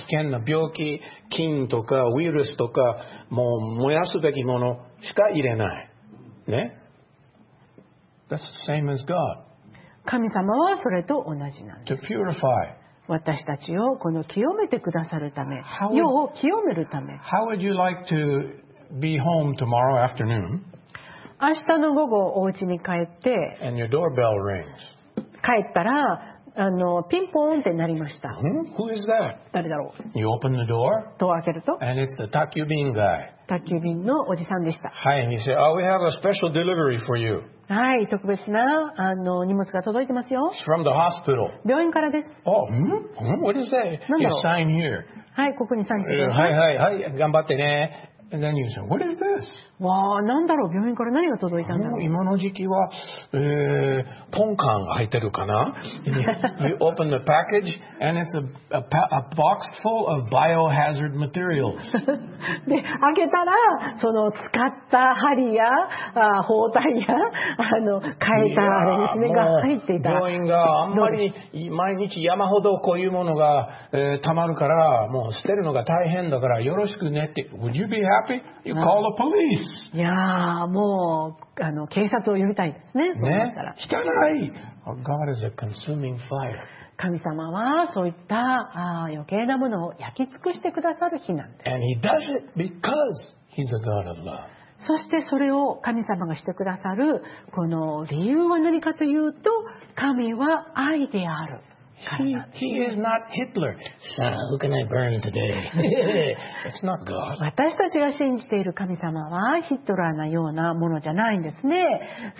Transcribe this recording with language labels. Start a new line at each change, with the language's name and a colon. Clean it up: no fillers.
Japanese: すごい危険な病気、菌とかウイルスとか、もう燃やすべきものしか入れない。
English: ね。That's the same as God.
Japanese: 神様はそれと同じなんです。私たちをこの清めてくださるため、世を清めるため。
English: How would you like to be home tomorrow afternoon?
Japanese: 明日の午後お家に帰って、
English: And your doorbell rings.
Japanese: 帰ったらピンポーンって鳴りました。
English: Who is that?
Japanese: 誰だろう。
English: You open the door.
Japanese: ドア開けると。
English: And it's the 宅急便 guy.
Japanese: 宅急便のおじさんでした。
English: Hi, and he said, "Oh, we have a special delivery for you."
Japanese: はい、特別な荷物が届いてますよ。
English: From the hospital.
Japanese: 病院からです。
English: Oh, What is that? You sign here.
Japanese: はい、ここにサインしてくださいはいはいはい、頑張ってね。
English: And then you say, What is this?
Japanese: わあ、なんだろう、病院から何が届いたんだろう。今の時期は、ポンカンが入ってるかな。
English: You open the package and it's a box full of biohazard materials.
Japanese: で、開けたら、その使った針や包帯や変えたあれですね、が入っていた。病院があんまり毎日山ほどこういうものが、溜まるから、もう捨てるのが大変だからよろしくねって。
English: Would you be happy? You call the police.
Japanese: いやもう警察を呼びたいですね。ね、汚い。
English: God is a consuming fire.
Japanese: 神様はそういった余計なものを焼き尽くしてくださる日なんです。
English: And he does it because he's a God of love.
Japanese: そしてそれを神様がしてくださるこの理由は何かというと、神は愛であるからなんです。
English: He is not Hitler. So, who can I burn today? It's not God.
Japanese: 私たちが信じている神様はヒットラーなようなものじゃないんですね。